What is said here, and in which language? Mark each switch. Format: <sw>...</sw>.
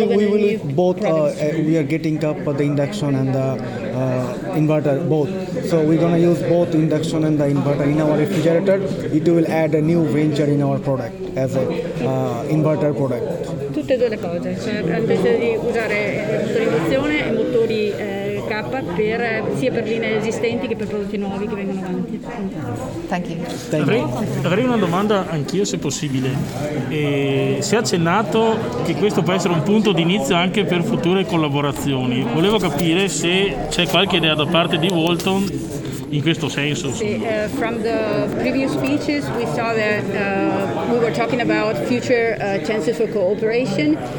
<en>We are getting up the induction and the inverter both. So we're going to use both induction and the inverter in our refrigerator. It will add a new venture in our product as a inverter product.</en> <it>Tutte e due le cose, cioè andate di usare motori induzione e motori K sia per linee esistenti che per prodotti nuovi che vengono avanti.</it> <en>Thank you.</en> <it>Avrei una domanda anch'io se possibile. Si è accennato che questo può essere un punto d'inizio anche per future collaborazioni. Volevo capire se c'è qualche idea da parte di Walton in questo senso.</it> <en>Sì, from the previous speeches we saw that we were talking about future chances for cooperation.</en>